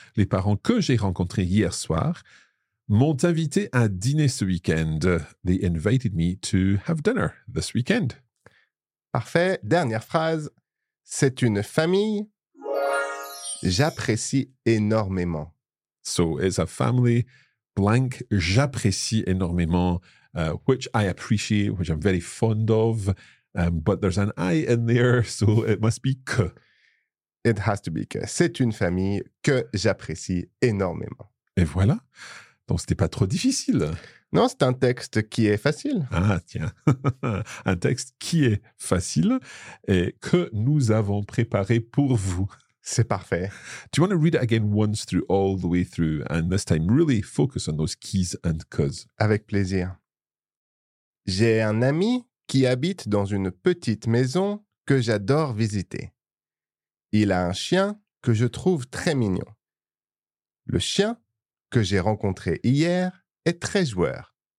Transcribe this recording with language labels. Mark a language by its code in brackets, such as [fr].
[fr] Les parents que j'ai rencontrés hier soir m'ont invité à dîner ce week-end. [en] They invited me to have dinner this weekend. [fr] Parfait. Dernière phrase. C'est une famille j'apprécie énormément. [en] So it's a family blank [fr] j'apprécie énormément, [en] which I appreciate, which I'm very fond of. But there's an I in there, so it must be que. It has to be que. [fr] C'est une famille que j'apprécie énormément. Et voilà. Donc, c'était pas trop difficile. Non, c'est un texte qui est facile. Ah, tiens. Un texte qui est facile et que nous avons préparé pour vous. C'est parfait. [en] Do you want to read it again once through, all the way through, and this time really focus on those keys and cos? [fr] Avec plaisir. J'ai un ami qui habite dans une petite maison que j'adore visiter. Il a un chien que je trouve très mignon. Le chien que j'ai rencontré hier est très joueur.